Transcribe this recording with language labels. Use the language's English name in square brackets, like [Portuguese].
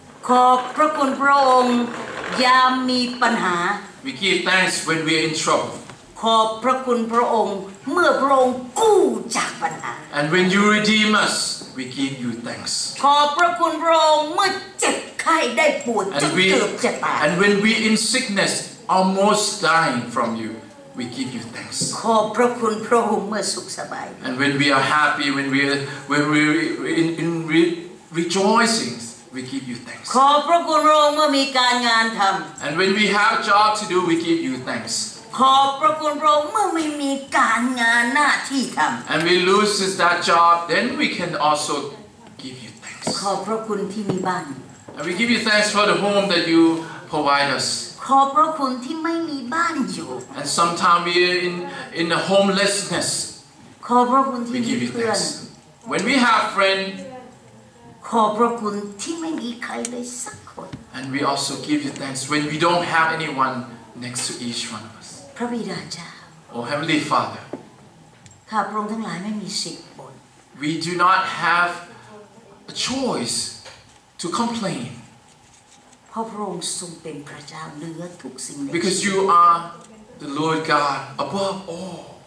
[Thai] ขอบพระคุณพระองค์ยามมีปัญหา [English] We give thanks when we are in trouble. [Thai] ขอบพระคุณพระองค์เมื่อพระองค์กู้จากปัญหา [English] And when you redeem us, we give you thanks. [Thai] ขอบพระคุณพระองค์เมื่อเจ็บไข้ได้ป่วยจนเกือบจะตาย [English] And when we in sickness, almost dying from you, we give you thanks. [Thai] ขอบพระคุณพระองค์เมื่อสุขสบาย [English] And when we are happy, when we rejoicing, we give you thanks. [Thai] ขอบพระคุณพระองค์เมื่อมีการงานทำ [English] And when we have job to do, we give you thanks. [Thai] ขอบพระคุณพระองค์เมื่อไม่มีการงานหน้าที่ทำ [English] And we lose that job, then we can also give you thanks. [Thai] ขอบพระคุณที่มีบ้าน [English] And we give you thanks for the home that you provide us. [Thai] ขอบพระคุณที่ไม่มีบ้านอยู่ [English] And sometimes we are in a homelessness. [Thai] ขอบพระคุณที่มีเพื่อน [English] When we have friends. [Thai] ขอบพระคุณที่ไม่มีใครเลยสักคน [English] And we also give you thanks when we don't have anyone next to each one of us. [Thai] พระบิดาเจ้า [English] Oh Heavenly Father. [Thai] ข้าพระองค์ทั้งหลายไม่มีสิทธิ์บน [English] We do not have a choice to complain [Thai] เพราะพระองค์ทรงเป็นพระเจ้าเหนือทุกสิ่งใด [English] Because you are the Lord God above all